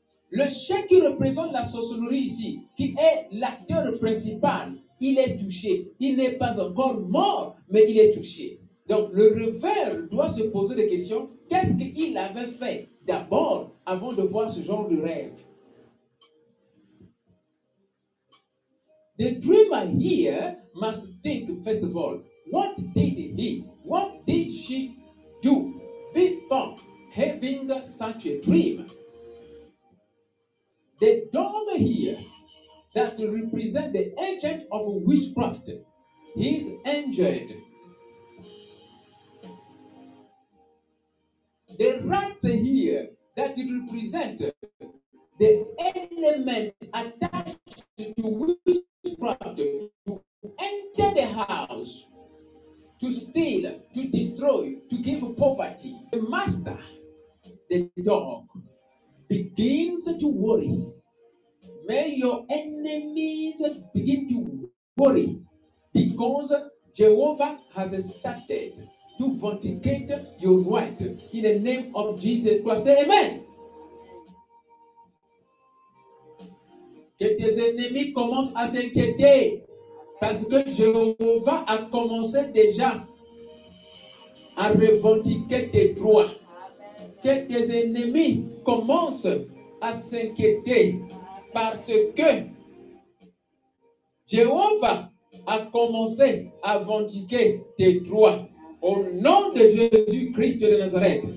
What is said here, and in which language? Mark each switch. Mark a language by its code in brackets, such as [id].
[fr] Le chien qui représente la sorcellerie ici, qui est l'acteur principal, il est touché. Il n'est pas encore mort, mais il est touché. Donc, le rêveur doit se poser des questions. Qu'est-ce qu'il avait fait d'abord avant de voir ce genre de rêve? [en] The dreamer here must think, first of all, what did he, what did she do before having such a dream? The dog here that represents the agent of witchcraft, he's injured. The rat here that represents the element attached to witchcraft to enter the house, to steal, to destroy, to give poverty. The master, the dog, begins to worry. May your enemies begin to worry because Jehovah has started to vindicate your right in the name of Jesus Christ. Say amen. [fr] Que tes ennemis commencent à s'inquiéter parce que Jehovah a commencé déjà à revendiquer tes droits. Que tes ennemis commencent à s'inquiéter parce que Jéhovah a commencé à vindiquer tes droits au nom de Jésus-Christ de Nazareth.